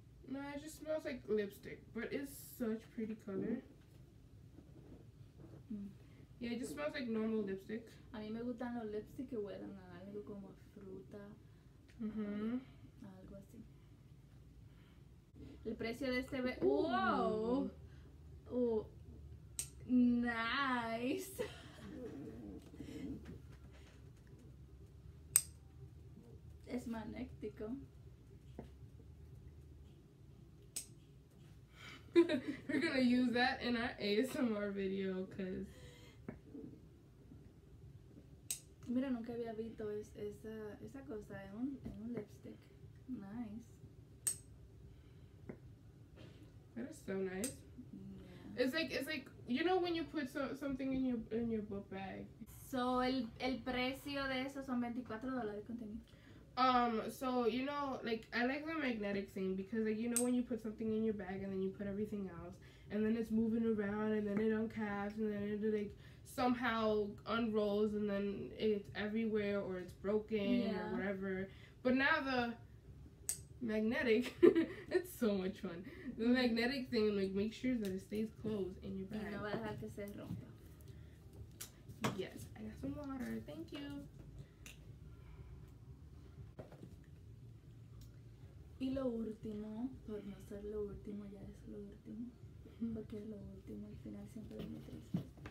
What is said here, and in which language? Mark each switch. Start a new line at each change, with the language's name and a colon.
English: No, it just smells like lipstick, but it's such pretty color. Yeah, it just smells like normal lipstick.
Spanish: A mí me gustan los lipsticks que huelan a algo como fruta. Mm-hmm. Algo así. El precio de este wow. Oh.
English: Nice.
Spanish: Es magnético.
English: We're going to use that in our ASMR video cuz
Spanish: mira, nunca había visto esa cosa en un lipstick.
English: Nice. That is so nice. Yeah. It's like you know when you put something in your book bag.
Spanish: So el precio de eso son $24 contenido.
English: So you know, like I like the magnetic thing because like you know when you put something in your bag and then you put everything else and then it's moving around and then it uncaps and then it like somehow unrolls and then it's everywhere or it's broken, yeah, or whatever. But now the magnetic it's so much fun. The magnetic thing, like, make sure that it stays closed in your bag.
Spanish: Y no va a dejar que se rompa.
English: Yes, I got some water. Thank you.
Spanish: Y lo último, por no ser lo último, ya es lo último. Porque es lo último, al final siempre me triste.